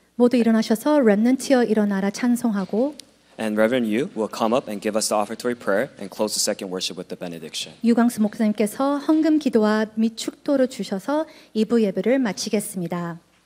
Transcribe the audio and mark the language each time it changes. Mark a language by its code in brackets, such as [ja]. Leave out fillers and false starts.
[ko] 모두 일어나셔서 렘넌트여 일어나라 찬송하고. [en] And Reverend Yu will come up and give us the offertory prayer and close the second worship with the benediction. [ko] 유광수 목사님께서 헌금 기도와 및 축도를 주셔서 2부 예배를 마치겠습니다.